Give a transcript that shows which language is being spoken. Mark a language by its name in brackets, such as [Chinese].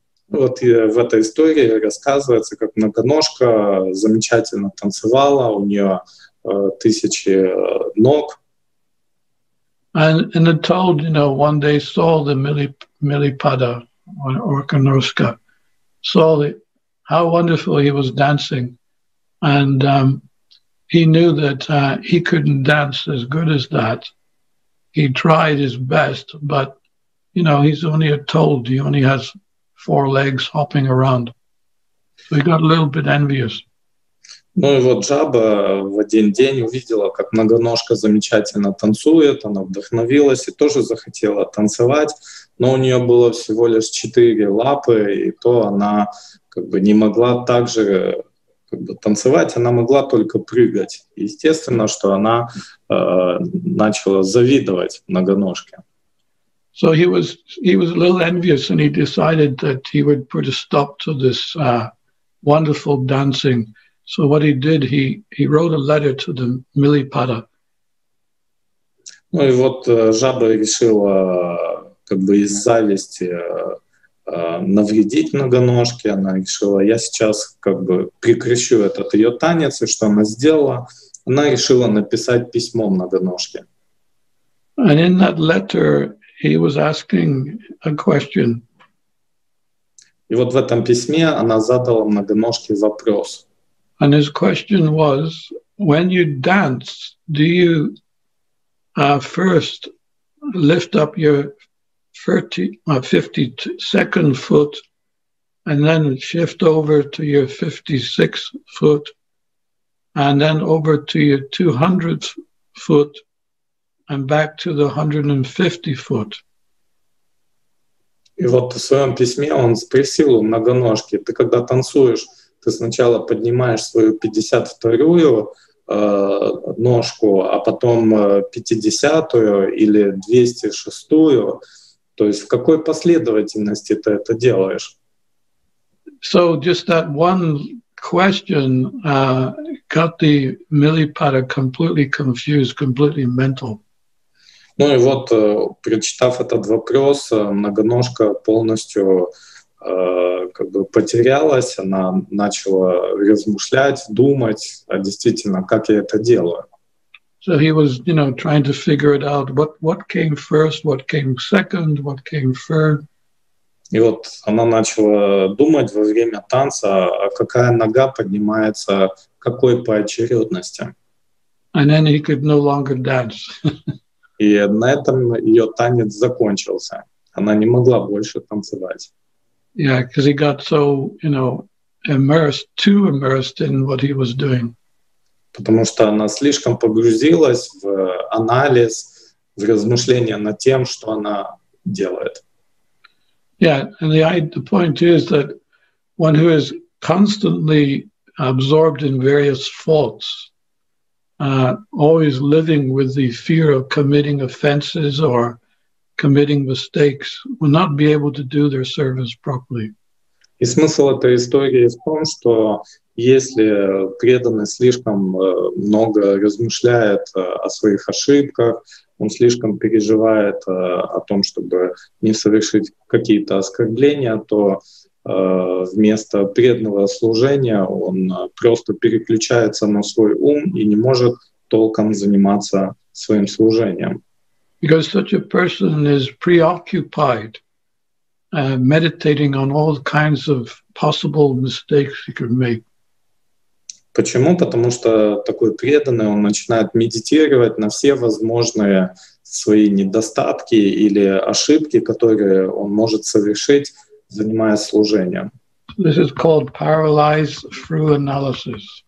[Russian] Вот в этой истории рассказывается, как многоножка замечательно танцевала, у нее тысячи ног. [English] And the toad, you know, one day saw the millipada, or Argonoshka. Saw how wonderful he was dancing, and he knew that he couldn't dance as good as that. He tried his best, but you know he's only a toad. He only has four legs hopping around. So he got a little bit envious. [Russian] Ну и вот жаба в один день увидела, как многоножка замечательно танцует. Она вдохновилась и тоже захотела танцевать. Но у нее было всего лишь четыре лапы, и то она как бы не могла так же как бы, танцевать, она могла только прыгать. Естественно, что она начала завидовать многоножке. [English] So he was a little envious, and he decided that he would put a stop to this wonderful dancing. So what he did, he wrote a letter to the millipada. [Russian] Ну и вот жаба решила как бы из зависти навредить многоножке. Она решила, я сейчас как бы прекращу этот ее танец, и что она сделала? Она решила написать письмо многоножке. [English] And in that letter he was asking a question. [Russian] И вот в этом письме она задала многоножке вопрос. [English] And his question was, when you dance, do you first lift up your 52nd foot and then shift over to your 56th foot and then over to your 200th foot and back to the 150th foot? [Russian] И вот в своем письме он спросил у многоножки, ты когда танцуешь, ты сначала поднимаешь свою 52-ю ножку, а потом 50-ю или 206-ю, то есть в какой последовательности ты это делаешь? [English] So just that one question got the Milipada completely confused, completely mental. [Russian] Ну и вот, прочитав этот вопрос, многоножка полностью как бы потерялась, она начала размышлять, думать, а действительно, как я это делаю. [English] So he was, you know, trying to figure it out, what came first, what came second, what came third. [Russian] И вот она начала думать во время танца, а какая нога поднимается, какой по очередности. [English] And then he could no longer dance. [Russian] И на этом ее танец закончился. Она не могла больше танцевать. [English] Yeah, because he got so, you know, immersed, too immersed in what he was doing. [Russian] Потому что она слишком погрузилась в анализ, в размышления над тем, что она делает. [English] Yeah, and the point is that one who is constantly absorbed in various faults, always living with the fear of committing offenses or committing mistakes, will not be able to do their service properly. [Russian] И смысл этой истории в том, что если преданный слишком много размышляет о своих ошибках, он слишком переживает о том, чтобы не совершить какие-то оскорбления, то вместо преданного служения он просто переключается на свой ум и не может толком заниматься своим служением. [English] Because such a person is preoccupied meditating on all kinds of possible mistakes he could make. [Russian] Почему? Потому что такой преданный, он начинает медитировать на все возможные свои недостатки или ошибки, которые он может совершить, занимаясь служением. [English] This is called paralyzed through analysis.